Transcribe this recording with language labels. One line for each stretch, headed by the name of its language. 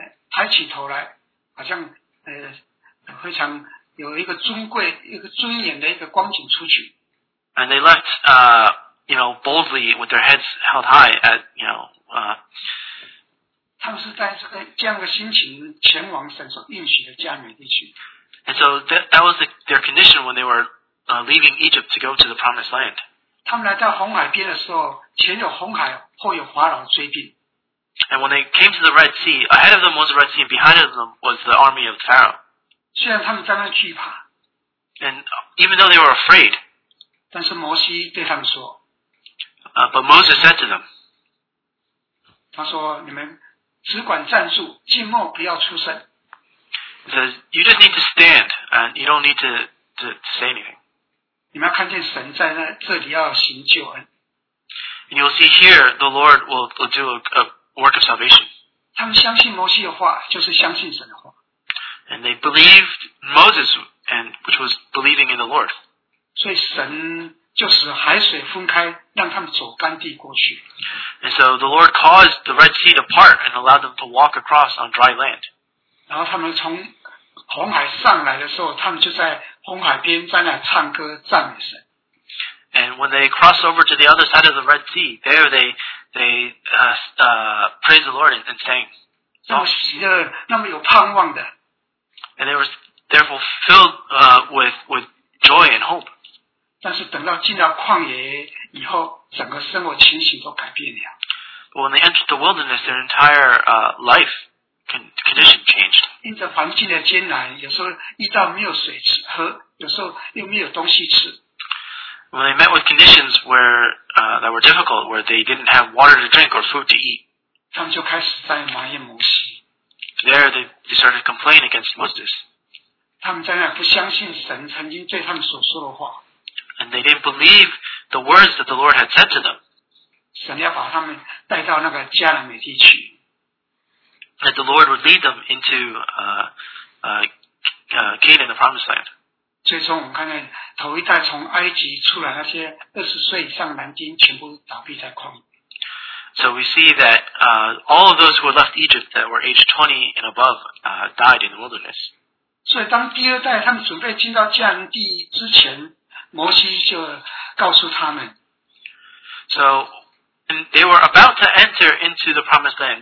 Chinese: 抬起头来，好像非常有一个尊贵、一个尊严的一个光景出去。
English: And they left, boldly with their heads held high at, And so that was their condition when they were leaving Egypt to go to the promised land. And when they came to the Red Sea, ahead of them was the Red Sea, and behind them was the army of Pharaoh. And even though they were afraid, but Moses said to them,
Chinese: 他说你们只管站住，静默，不要出声。
English: He says, you just need to stand, and you don't need to say anything.
Chinese: 你们要看见神在那这里要行救恩。
English: And you'll see here, the Lord will do a work of salvation.
Chinese: 他们相信摩西的话，就是相信神的话。
English: And they believed Moses, and which was believing in the Lord.
Chinese: 所以神就使海水分开，让他们走干地过去。
English: And so the Lord caused the Red Sea to part and allowed them to walk across on dry land.
Chinese: 然后他们从红海上来的时候，他们就在红海边在那唱歌赞美神。
English: And when they crossed over to the other side of the Red Sea, there they praised the Lord and sang.
Chinese: 那么喜乐，那么有盼望的。
English: And they were therefore filled with joy and hope.
Chinese: 但是等到进到旷野以后，整个生活情形都改变了。
English: But when they entered the wilderness, their entire life condition changed.
Chinese: 因着环境的艰难，有时候遇到没有水吃喝，有时候又没有东西吃。
English: When they met with conditions where that were difficult, where they didn't have water to drink or food to eat,
Chinese: 他们就开始在埋怨摩西。
English: There they started to complain against Moses.
Chinese: 他们在那不相信神曾经对他们所说的话。
English: And they didn't believe the words that the Lord had said to them.
Chinese: 神要把他们带到那个迦南美地区。
English: That the Lord would lead them into Canaan, the promised land.
Chinese: 最终我们看见头一代从埃及出来那些20岁以上的男丁全部倒闭在旷野。
English: So we see that all of those who had left Egypt that were age 20 and above died in the wilderness.
Chinese: 所以当第二代他们准备进到迦南地之前，摩西就告诉他们。
English: So, and they were about to enter into the promised land.